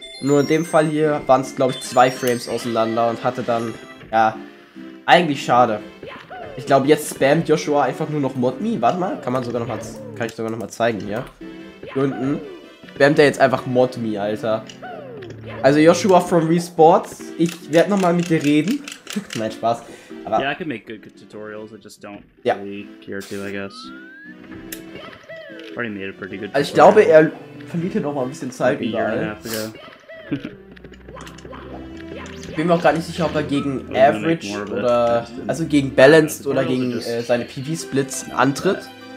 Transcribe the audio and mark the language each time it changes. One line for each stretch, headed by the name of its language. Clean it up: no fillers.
German: Nur in dem Fall hier waren es, glaube ich, zwei Frames auseinander und hatte dann, ja, eigentlich schade. Ich glaube, jetzt spammt Joshua einfach nur noch Mod Me. Warte mal, kann ich sogar noch mal zeigen hier. Hier unten spammt er jetzt einfach Mod Me, Alter. Also Joshua from Resports, ich werde nochmal mit dir reden. Nein, Spaß.
English: Aber yeah, I can make good tutorials, I just don't really care to, I guess. Already made a pretty good.
German: Also ich glaube, er verliert hier nochmal ein bisschen Zeit. Maybe überall. Ich bin mir auch gar nicht sicher, ob er gegen Average oder also gegen Balanced oder gegen seine PV-Splits antritt.